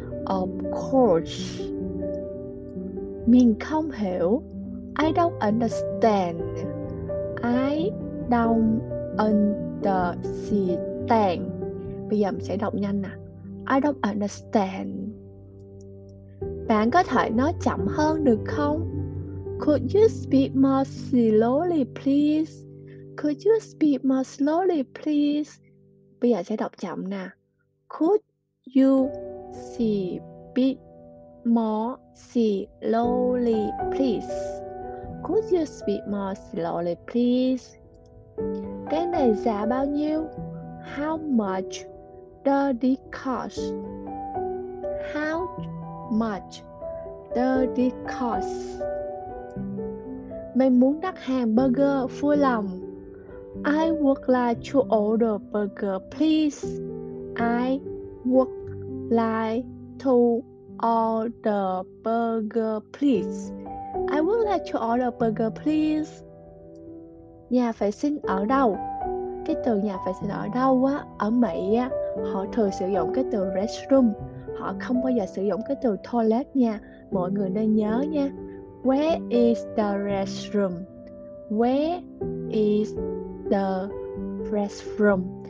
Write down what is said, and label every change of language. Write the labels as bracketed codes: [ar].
[en] Of course. [vi] Mình không hiểu. [en] I don't understand. I don't understand. [vi] Bây giờ mình sẽ đọc nhanh nè. [en] I don't understand. [vi] Bạn có thể nói chậm hơn được không? [en] Could you speak more slowly, please? Could you speak more slowly, please? [vi] Bây giờ sẽ đọc chậm nè. [en] Could you speak more slowly, please? Could you speak more slowly, please? [vi] Cái này giá bao nhiêu? [en] How much does it cost? How much does it cost? [vi] Mình muốn đặt hàng burger vui lòng. [en] I would like to order burger, please. I would like to order burger, please. I would like to order burger, please. [vi] Nhà vệ sinh ở đâu? Cái từ nhà vệ sinh ở đâu á, ở Mỹ á, họ thường sử dụng cái từ restroom. Họ không bao giờ sử dụng cái từ toilet nha. Mọi người nên nhớ nha. [en] Where is the restroom? Where is the restroom?